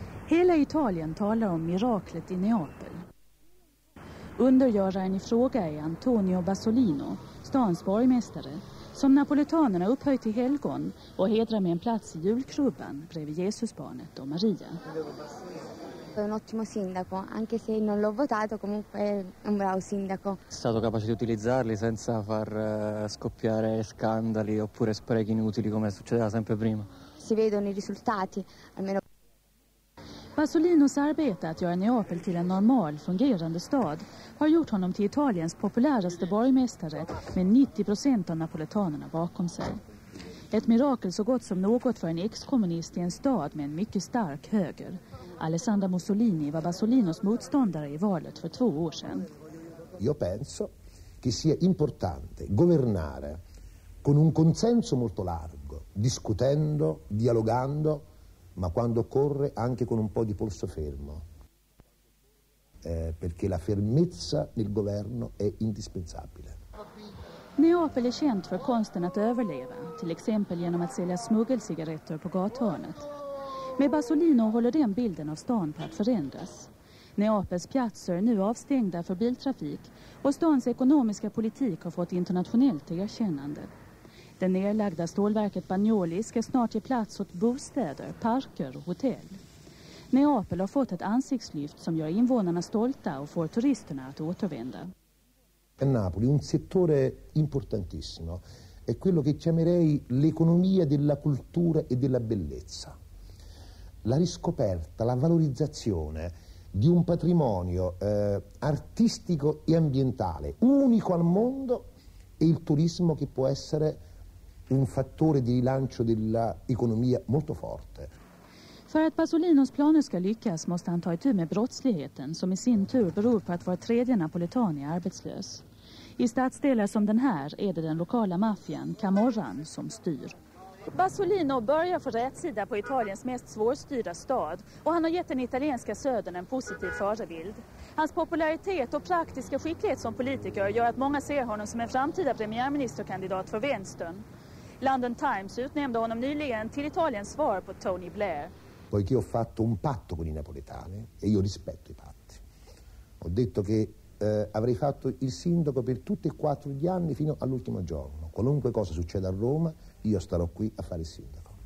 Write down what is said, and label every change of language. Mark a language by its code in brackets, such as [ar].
[sv] Hela Italien talar om miraklet i Neapel. Undergöraren i fråga är Antonio Bassolino, stans borgmästare, som napoletanerna upphöjt till helgon och hedrar med en plats i julkrubban bredvid Jesusbarnet och Maria. [it] Un ottimo sindaco, anche se non l'ho votato, comunque è un bravo sindaco. È stato capace di utilizzarli senza far scoppiare scandali oppure sprechi inutili come succedeva sempre prima. Si vedono i risultati, almeno. [sv] Pasolinos arbete att göra Neapel till en normal, fungerande stad har gjort honom till Italiens populäraste borgmästare med 90% av napoletanerna bakom sig. Ett mirakel så gott som något för en ex-kommunist i en stad med en mycket stark höger. Alessandra Mussolini var Bassolinos motståndare i valet för 2 år sedan. [it] Io penso che sia importante governare con un consenso molto largo, discutendo, dialogando, ma quando occorre anche con un po' di polso fermo. Perché la fermezza nel governo è indispensabile. [sv] Neapel är känt för konsten att överleva, till exempel genom att sälja smuggelcigaretter på gathörnet. Med Basolino håller den bilden av stan på att förändras. Neapels platser är nu avstängda för biltrafik och stans ekonomiska politik har fått internationellt erkännande. Det nedlagda stålverket Bagnoli ska snart ge plats åt bostäder, parker och hotell. Neapel har fått ett ansiktslyft som gör invånarna stolta och får turisterna att återvända. [it] Napoli, un settore importantissimo, è quello che chiamerei l'economia della cultura e della bellezza. La riscoperta, la valorizzazione di un patrimonio artistico e ambientale unico al mondo e il turismo che può essere un fattore di rilancio dell'economia molto forte. [sv] För att Pasolinos planer ska lyckas måste han ta itu med brottsligheten som i sin tur beror på att vår tredje napoletan är arbetslös. I stadsdelar som den här är det den lokala maffian Camorran som styr. Basolino börjar få rätt sida på Italiens mest svårstyrda stad och han har gett den italienska södern en positiv förebild. Hans popularitet och praktiska skicklighet som politiker gör att många ser honom som en framtida premiärministerkandidat för vänstern. London Times utnämnde honom nyligen till Italiens svar på Tony Blair. [it] Poiché ho fatto un patto con i napoletani e io rispetto i patti. Ho detto che avrei fatto il sindaco per tutti e quattro gli anni fino all'ultimo giorno. Qualunque cosa succeda a Roma, io starò qui a fare il sindaco.